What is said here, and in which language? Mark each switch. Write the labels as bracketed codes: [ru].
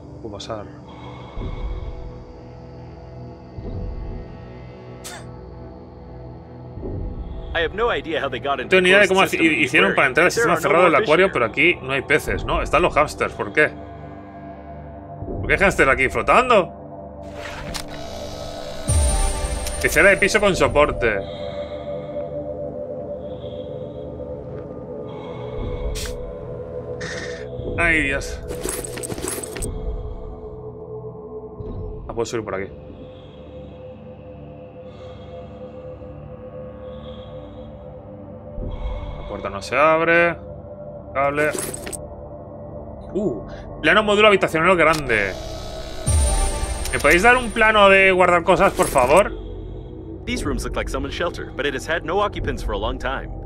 [es] Pasar. [en] I have no idea how they got into. [es] No tengo ni idea de cómo hicieron para entrar al sistema cerrado del acuario, pero aquí no hay peces, ¿no? Están los hámsters, ¿por qué? ¿Por qué hay hámsters aquí flotando? Piscina de piso con soporte. Ay, Dios. Puedo subir por aquí. La puerta no se abre. Cable. Plano módulo habitacional grande. ¿Me podéis dar un plano de guardar cosas, por favor? [en] These rooms look like someone's shelter, but it has had no occupants for a long time.